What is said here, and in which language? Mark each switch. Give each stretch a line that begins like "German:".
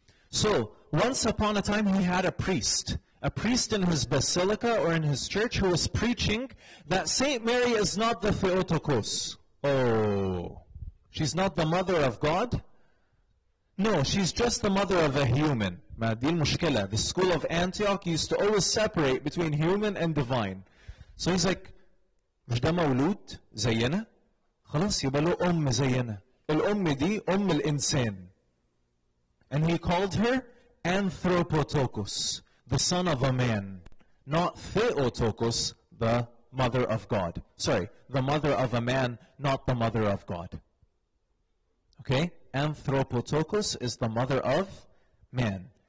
English: So, once upon a time he had a priest. A priest in his basilica or in his church who was preaching that Saint Mary is not the Theotokos. Oh, she's not the mother of God? No, she's just the mother of a human. The school of Antioch used to always separate between human and divine. So he's like,
Arabic: مش ده مولود زينا؟ خلاص يبقى له أم زينا. الأم دي أم الإنسان.
English: And he called her Anthropotokos, the son of a man. Not Theotokos, the mother of God. Sorry, the mother of a man, not the mother of God. Okay? Anthropotokos is the mother of man.